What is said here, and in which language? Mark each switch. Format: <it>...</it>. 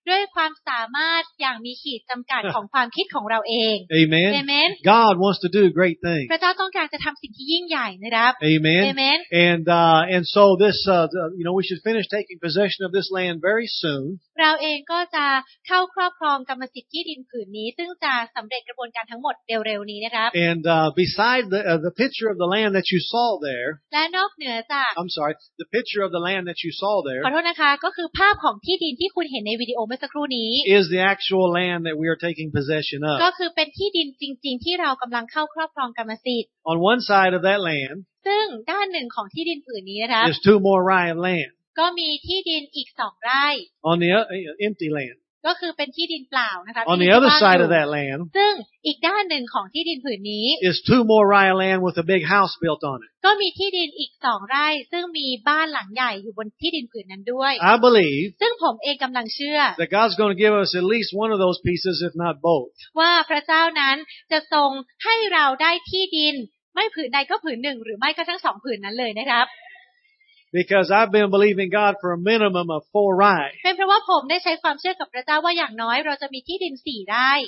<th>ด้วยความสามารถอย่างมีขีดจำกัดของความคิดของเราเอง</th> <en>Amen. Amen. God wants to do great things.</en> <th>พระเจ้าต้องการจะทำสิ่งที่ยิ่งใหญ่นะครับ</th> <en>Amen. Amen. And so this we should finish taking possession of this land very soon.</en> <th>เราเองก็จะเข้าครอบครองกรรมสิทธิ์ที่ดินผืนนี้ซึ่งจะสำเร็จกระบวนการทั้งหมดเร็วๆนี้นะครับ</th> <en>And beside the picture of the land that you saw there</en> <th>และนอกเหนือจาก</th> <en>I'm sorry the picture of the land that you saw there</en> <th>ขอโทษนะคะก็คือภาพของที่ดินที่คุณเห็นในวิดีโอเมื่อสักครู่นี้</th> <en>is the actual land that we are taking possession of</en> <th>ก็คือเป็นที่ดินจริงๆที่เรากำลังเข้าครอบครองกรรมสิทธิ์</th> <en>On one side of that land</en> <th>ซึ่งด้านหนึ่งของที่ดินผืนนี้นะครับ</th> <en>is 2 more rye of land</en> <th>ก็มีที่ดินอีก2 ไร่</th> <en>on the empty land</en> <th>ก็คือเป็นที่ดินเปล่านะคะ</th> <en>On the other side of that land</en> <th>ซึ่งอีกด้านหนึ่งของที่ดินผืนนี้</th> <en>is 2 more rye of land with a big house built on it</en> <th>ก็มีที่ดินอีก2 ไร่ซึ่งมีบ้านหลังใหญ่อยู่บนที่ดินผืนนั้นด้วย</th> <en>I believe</en> <th>ซึ่งผมเองกำลังเชื่อ</th> <en>that God's going to give us at least one of those pieces if not both</en> <th>ว่าพระเจ้านั้นจะทรงให้เราได้ที่ดินไม่ผืนใดก็ผืนหนึ่งหรือไม่ก็ทั้ง2 ผืนนั้นเลยนะครับ</th> <en>Because I've been believing God for a minimum of 4 ไร่</en> <th>เป็นเพราะว่าผมได้ใช้ความเชื่อกับพระเจ้าว่าอย่างน้อยเราจะมีที่ดิน4 ไร่</th>